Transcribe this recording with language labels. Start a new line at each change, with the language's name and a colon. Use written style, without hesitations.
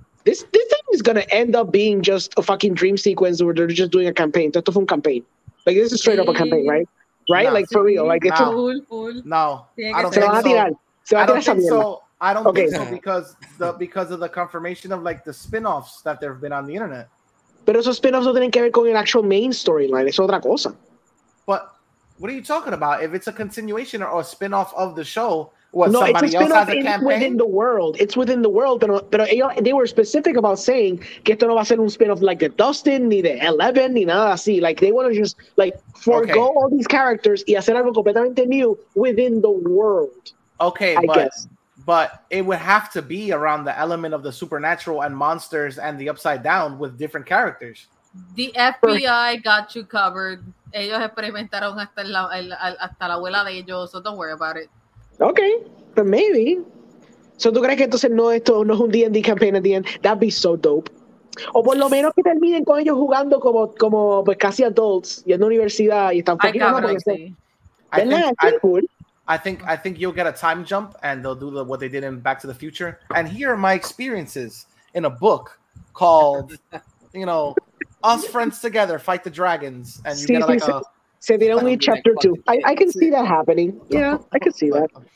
English: This thing is going to end up being just a fucking dream sequence where they're just doing a campaign.
Spanish: Esto fue un campaign.
English: Like, this is straight up a campaign, right? Right? No, like, for real. Like, it's no.
Spanish: Se van a tirar. Se van a tirar esa mierda.
English: I don't think so because of the confirmation of like the spin-offs that there have been on the internet.
Spanish: Pero esos spin-offs no tienen que ver con el actual main storyline. Es otra cosa.
English: But what are you talking about? If it's a continuation or a spin-off of the show, what, no, somebody else has a campaign? It's within the world. It's within the world.
Spanish: Pero ellos,
English: they were specific about saying
Spanish: que esto no va a ser un
English: spin-off like the Dustin, ni the Eleven,
Spanish: ni nada así.
English: Like, they want to just like forego all these characters
Spanish: y hacer algo completamente
English: new within the world. Okay, But it would have to be around the element of the supernatural and monsters and the upside down with different characters. The FBI got you covered.
Spanish: Ellos experimentaron hasta la abuela de ellos,
English: so don't worry about it. Okay, but maybe. So
Spanish: tú crees que entonces no, esto no es un
English: D&D campaign at the end? That'd be so dope.
Spanish: O por lo menos que terminen con ellos jugando como pues casi adults yendo a la universidad y están poquito más grandes.
English: I think you'll get a time jump and they'll do what they did in Back to the Future. And here are my experiences in a book called, you know, Us Friends Together Fight the Dragons. And you get like say they only chapter two. I can see that happening. Yeah, I can see that.